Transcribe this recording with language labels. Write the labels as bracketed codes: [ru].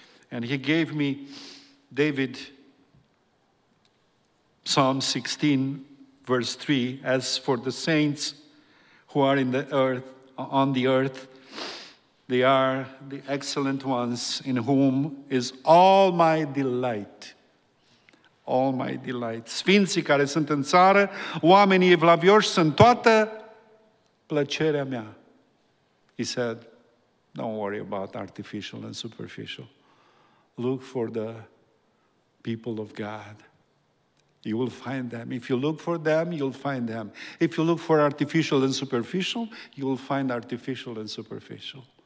[en] And he gave me David, Psalm 16, verse 3, as for the saints who are on the earth, they are the excellent ones in whom is all my delight. all my delight. [ro] Sfinții care sunt în țară, oamenii evlavioși sunt toată plăcerea mea. [en] He said, don't worry about artificial and superficial. Look for the people of God. You will find them. If you look for them, you'll find them. If you look for artificial and superficial, you'll find artificial and superficial.